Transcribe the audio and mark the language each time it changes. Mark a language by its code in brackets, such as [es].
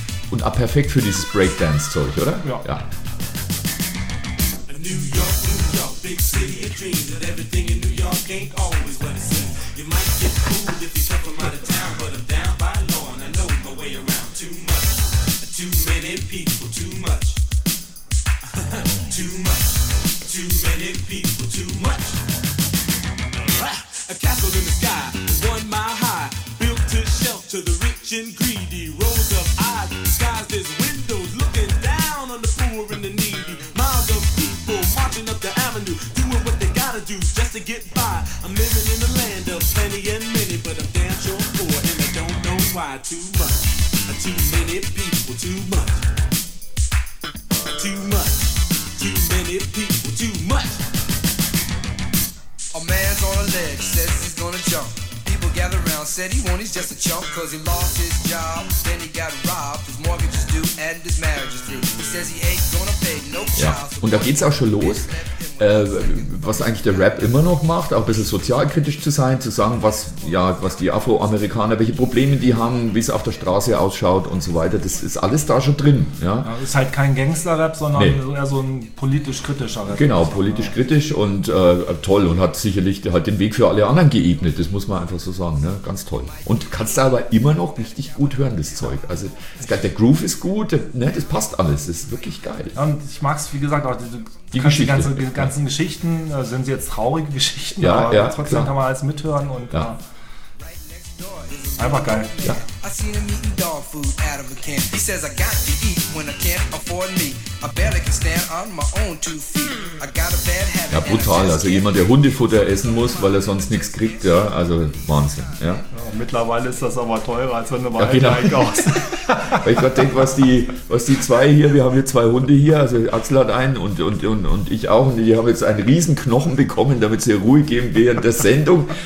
[de] Und ah, perfekt für dieses Breakdance-Zeug, oder? Ja. Ja. [en] New York, New York, big city of dreams. And everything in New York ain't always what it seems. You might get fooled if you come from out of town. But I'm down by law and I know my way around. Too much. Too many people, too much. Too much. Too many people, too much. A castle in the sky, 1 mile high, built to shelter the rich and greedy. Rows of eyes disguised as windows, looking down on the poor and the needy. Miles of people marching up the avenue, doing what they gotta do just to get by. I'm living in a land of plenty and many, but I'm damn sure poor, and I don't know why. Too much. Too many people, too much. Too much. Too many people, too much. A man's on a leg, says he's gonna jump. People gather around, said he won't, he's just a chump, cause he lost his job. Then he got robbed, his mortgage is due and his marriage is due. He says he ain't gonna pay no child. [de] Ja. Und da geht's auch schon los. Was eigentlich der Rap immer noch macht, auch ein bisschen sozialkritisch zu sein, zu sagen, was, ja, was die Afroamerikaner, welche Probleme die haben, wie es auf der Straße ausschaut und so weiter, das ist alles da schon drin. Ja, ja, ist halt kein Gangster-Rap, sondern eher so ein politisch-kritischer Rap. Genau, politisch-kritisch und toll und hat sicherlich halt den Weg für alle anderen geebnet, das muss man einfach so sagen, ne? Ganz toll. Und kannst du aber immer noch richtig gut hören, das Zeug. Also der Groove ist gut, ne? Das passt alles, das ist wirklich geil. Ja, und ich mag es, wie gesagt, auch die ganzen Geschichten, sind sie jetzt traurige Geschichten, ja, aber ja, trotzdem klar. Kann man alles mithören und ja. Einfach geil. Ja. [en] I seen him eating dog food out of a can. He says I got to eat when I can't afford me. I barely can stand on my own two feet. I got a bad habit. [de] Ja, brutal. Also jemand, der Hundefutter essen muss, weil er sonst nichts kriegt. Ja, also Wahnsinn. Ja. Ja, mittlerweile ist das aber teurer, als wenn du mal einkaufst. Weil ich gerade denke, was die zwei hier, wir haben hier zwei Hunde hier, also Axel hat einen und ich auch. Und die haben jetzt einen riesen Knochen bekommen, damit sie Ruhe geben während der Sendung.